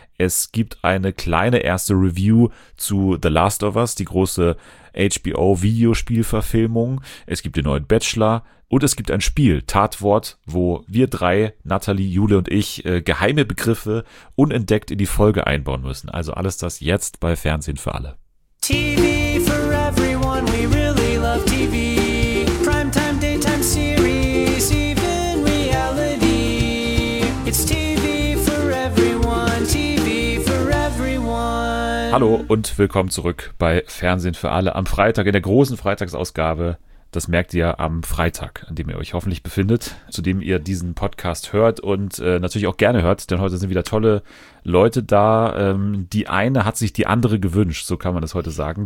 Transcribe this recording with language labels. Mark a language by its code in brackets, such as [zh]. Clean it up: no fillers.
[de] Es gibt eine kleine erste Review zu The Last of Us, die große HBO-Videospielverfilmung. Es gibt den neuen Bachelor. Und es gibt ein Spiel, Tatwort, wo wir drei, Nathalie, Jule und ich, geheime Begriffe unentdeckt in die Folge einbauen müssen. Also alles das jetzt bei Fernsehen für alle. [en] TV for everyone, we really love TV. Primetime, daytime series, even reality. It's TV for everyone, TV for everyone. [de] Hallo und willkommen zurück bei Fernsehen für alle am Freitag in der großen Freitagsausgabe. Das merkt ihr am Freitag, an dem ihr euch hoffentlich befindet, zu dem ihr diesen Podcast hört und natürlich auch gerne hört, denn heute sind wieder tolle Leute da. Die eine hat sich die andere gewünscht, so kann man das heute sagen.